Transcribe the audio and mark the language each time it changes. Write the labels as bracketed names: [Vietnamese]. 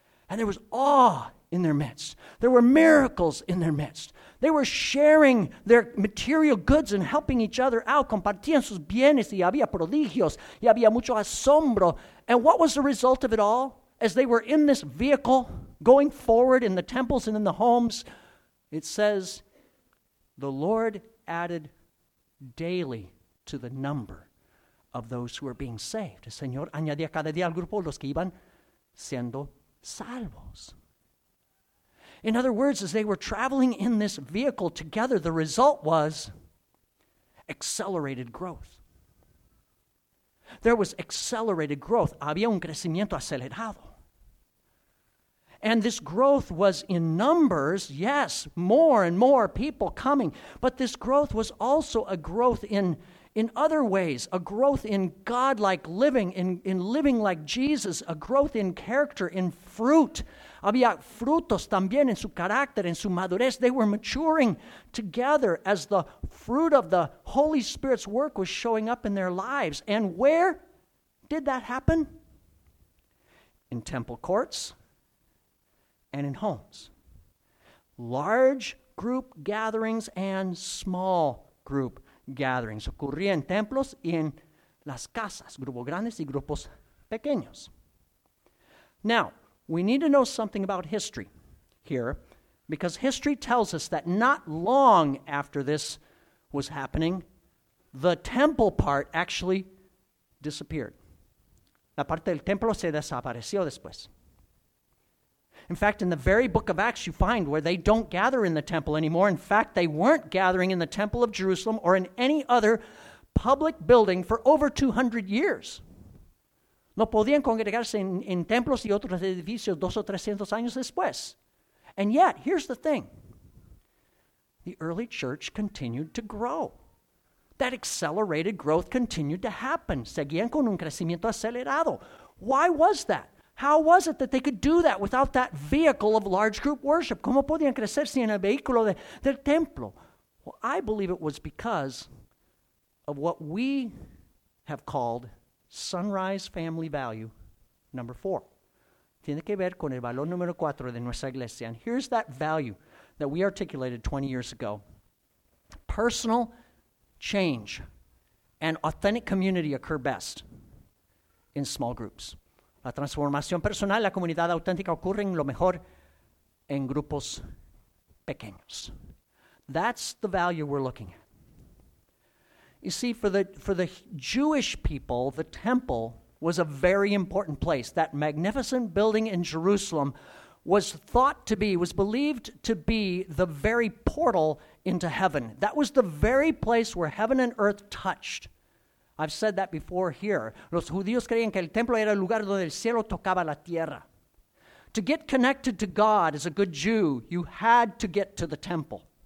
[English] And there was awe in their midst. There were miracles in their midst. They were sharing their material goods and helping each other out. [Spanish] Compartían sus bienes y había prodigios y había mucho asombro. [English] And what was the result of it all? As they were in this vehicle going forward in the temples and in the homes, it says, the Lord added daily to the number of those who were being saved. [Spanish] El Señor añadía cada día al grupo los que iban siendo salvos. [English] In other words, as they were traveling in this vehicle together, the result was accelerated growth. There was accelerated growth. [Spanish] Había un crecimiento acelerado. [English] And this growth was in numbers, yes, more and more people coming. But this growth was also a growth in other ways, a growth in God-like living, in living like Jesus, a growth in character, in fruit. [Spanish] Había frutos también en su carácter, en su madurez. [English] They were maturing together as the fruit of the Holy Spirit's work was showing up in their lives. And where did that happen? In temple courts. And in homes, large group gatherings and small group gatherings. [Spanish] Ocurría en templos y en las casas, grupos grandes y grupos pequeños. [English] Now, we need to know something about history here, because history tells us that not long after this was happening, the temple part actually disappeared. [Spanish] La parte del templo se desapareció después. [English] In fact, in the very book of Acts, you find where they don't gather in the temple anymore. In fact, they weren't gathering in the temple of Jerusalem or in any other public building for over 200 years. [Spanish] No podían congregarse en templos y otros edificios 200 o 300 años después. [English] And yet, here's the thing. the early church continued to grow. That accelerated growth continued to happen. [Spanish] Seguían con un crecimiento acelerado. [English] Why was that? How was it that they could do that without that vehicle of large group worship? [Spanish] ¿Cómo podían crecer sin el vehículo del templo? [English] Well, I believe it was because of what we have called Sunrise Family Value number 4. [Spanish] Tiene que ver con el valor número 4 de nuestra iglesia. [English] And here's that value that we articulated 20 years ago. Personal change and authentic community occur best in small groups. [Spanish] La transformación personal, la comunidad auténtica ocurren lo mejor en grupos pequeños. [English] That's the value we're looking at. You see, for the Jewish people, the temple was a very important place. That magnificent building in Jerusalem was believed to be the very portal into heaven. That was the very place where heaven and earth touched. I've said that before here. [Spanish] Los judíos creían que el templo era el lugar donde el cielo tocaba la tierra. [English] To get connected to God as a good Jew, you had to get to the temple.